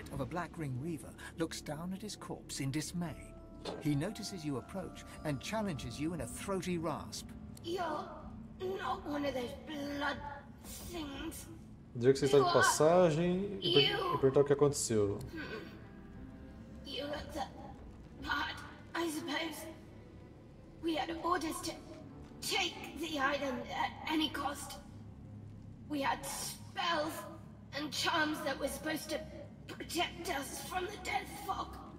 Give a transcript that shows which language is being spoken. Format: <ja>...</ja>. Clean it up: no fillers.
<en>Black Ring Reaver looks down at his corpse in dismay. He notices you approach and challenges you in a throaty rasp. You're not one of those blood things.</en> <pt>Diz que você está de passagem e perguntar o que aconteceu.</pt> <en>You look the part, I suppose. We had orders to take the item at any cost. We had spells and charms that were supposed to protect us from the death fog.</en>